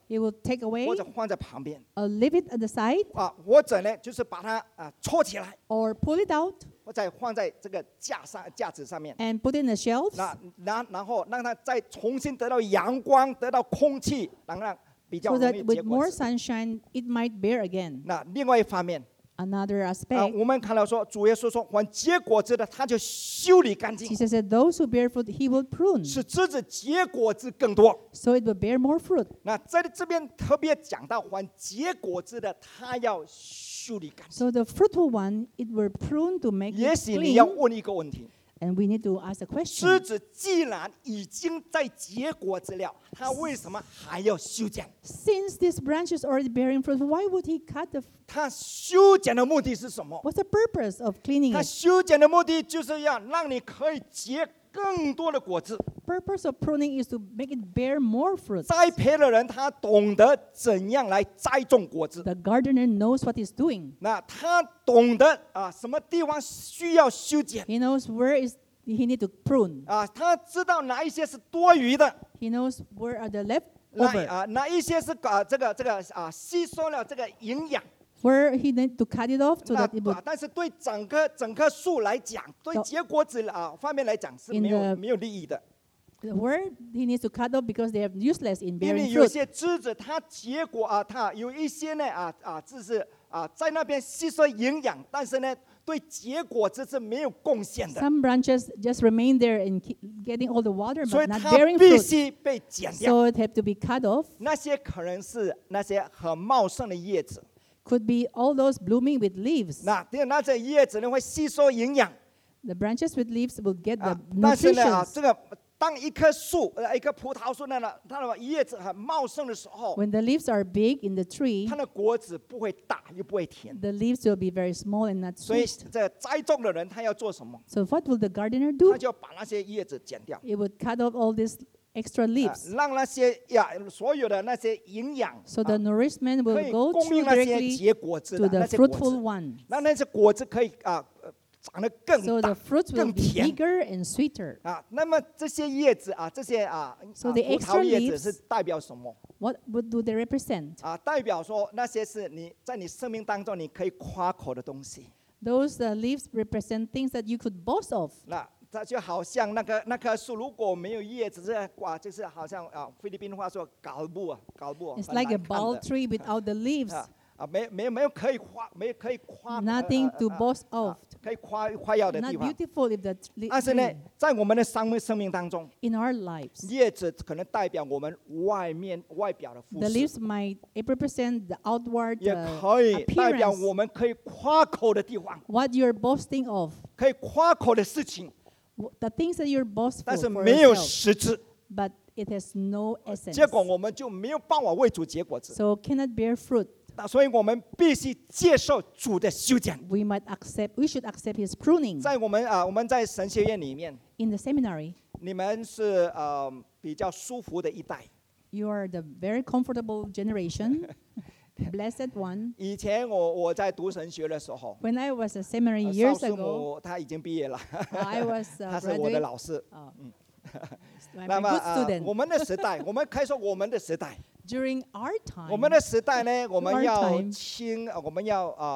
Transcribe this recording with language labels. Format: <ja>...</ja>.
<en>he will take away,</en> <zh>或者放在旁边,</zh> <en>or leave it at the side,</en> <zh>或者呢, 就是把它, 戳起来,</zh> <en>or pull it out,</en> <zh>再放在这个架上架子上面,</zh> <en>and put in the shelves,</en> <zh>然后让它再重新得到阳光得到空气, 让它比较容易结果子,</zh> <en>so that with more sunshine it might bear again.</en> <zh>那另外一方面,</zh> <en>another aspect,</en> <zh>我们看到说, 主耶稣说, 还结果子的, 他就修理干净,</zh> <en>Jesus said those who bear fruit he will prune,</en> <zh>使枝子结果子更多,</zh> <en>so it will bear more fruit.</en> <zh>那在这边特别讲到, 还结果子的, 他要修理干净,</zh> <en>so the fruitful one it will prune to make it clean.</en> <zh>也许你要问一个问题,</zh> <en>And we need to ask a question.</en> <zh>枝子既然已经在结果子了，他为什么还要修剪？</zh> <en>Since this branch is already bearing fruit, why would he cut the?</en> <zh>他修剪的目的是什么？</zh> <en>What's the purpose of cleaning it?</en> <zh>他修剪的目的就是要让你可以结更多的果子。</zh> <en>Purpose of pruning is to make it bear more fruit.</en> <zh>栽培的人他懂得怎样来栽种果子。</zh> <en>The gardener knows what he's doing.</en> <zh>那他懂得啊，什么地方需要修剪。</zh> <en>He knows where is he need to prune.</en> <zh>啊，他知道哪一些是多余的。</zh> <en>He knows where are the leftover.</en> <zh>哪一些是啊这个啊吸收了这个营养。</zh> <en>Where he need to cut it off so that it would.</en> <zh>但是对整棵树来讲，对结果子啊方面来讲是没有利益的。</zh> <en>Where he needs to cut off because they are useless in bearing fruit.</en> <zh>因为有些枝子它结果啊，它有一些呢啊就是啊在那边吸收营养，但是呢对结果子是没有贡献的。</zh> <en>Some branches just remain there and getting all the water but not bearing fruit.</en> <zh>所以它必须被剪掉。</zh> <en>So it have to be cut off.</en> <zh>那些可能是那些很茂盛的叶子。</zh> <en>Could be all those blooming with leaves.</en> <zh>那这叶子呢会吸收营养。</zh> <en>The branches with leaves will get the nutrition.</en> <zh>但是呢啊这个。当一棵树，一棵葡萄树，它的叶子很茂盛的时候</zh> <en>，When the leaves are big in the tree，</en> <zh>它的果子不会大，又不会甜。</zh> <en>The leaves will be very small and not sweet。</en> <zh>所以，这栽种的人他要做什么</zh> <en>？So what will the gardener do？</en> <zh>他就要把那些叶子剪掉。</zh> <en>It would cut off all these extra leaves。</en> <zh>让那些呀，所有的那些营养</zh> <en>，So the nourishment will go directly to the fruitful one。</en> <zh>让那些果子可以啊。长得更大</zh> <en>so the fruits will be bigger and sweeter.</en> <zh>啊，那么这些叶子啊，这些啊，</zh> <en>so the extra leaves</en> <zh>是代表什么？</zh> <en>What do they represent?</en> <zh>啊，代表说那些是你在你生命当中你可以夸口的东西。</zh> <en>Those leaves represent things that you could boast of.</en> <zh>那它就好像那棵树如果没有叶子，这瓜就是好像啊，菲律宾话说搞不啊，搞不。</zh> <en>It's like a bald tree without the leaves.</en> <zh>啊，没有可以夸，没有可以夸。</zh> <en>Nothing to boast of.</en> <zh>可以夸耀的地方。</zh> <en>Not beautiful if the tree.</en> <zh>但是呢，在我们的生命当中</zh> <en>，in our lives，</en> <zh>叶子可能代表我们外表的服饰。</zh> <en>The leaves might represent the outward appearance.</en> <zh>也可以代表我们可以夸口的地方。</zh> <en>What you're boasting of.</en> <zh>可以夸口的事情。</zh> <en>The things that you're boastful.</en> <zh>但是没有实质。</zh> <en>But it has no essence.</en> <zh>结果我们就没有办法为主结果子。</zh> <en>So cannot bear fruit.</en> <zh>所以我们必须接受主的修剪。</zh> <en>We might accept, we should accept his pruning.</en> <zh>在我们啊，我们在神学院里面。</zh> <en>In the seminary.</en> <zh>你们是比较舒服的一代。</zh> <en>You are the very comfortable generation, blessed one.</en> <zh>以前我在读神学的时候。</zh> <en>When I was a seminary years ago.</en> <zh>邵叔母他已经毕业了。</zh> <en>I was a graduate.</en> <zh>他是我的老师。那么我们的时代，我们可以说我们的时代。</zh> <en>During our time,</en> <zh>我们的时代呢，我们要清，我们要</zh>